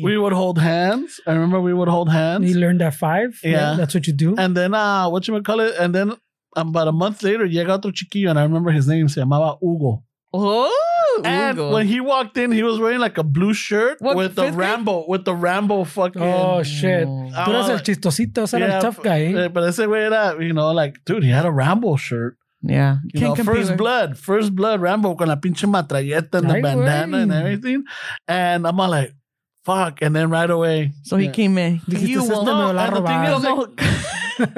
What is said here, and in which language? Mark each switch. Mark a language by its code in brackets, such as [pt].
[en] We would hold hands. I remember we would hold hands. He learned at five. Yeah. That's what you do. And then, whatchamacallit? And then about a month later, [es] llega otro chiquillo, [en] and I remember his name, [es] se llamaba Hugo. [en] Oh, and Hugo. When he walked in, he was wearing like a blue shirt with the Rambo fucking. Oh shit! [es] Tú eres el chistosito, [en] eres el tough guy. But [es] ese güey era, [en] you know, like, dude, he had a Rambo shirt. Yeah, first blood, Rambo [es] con la pinche matralleta [en] and the bandana and everything. And I'm all like, fuck! And then right away, so he came in. You won't know. And the thing is,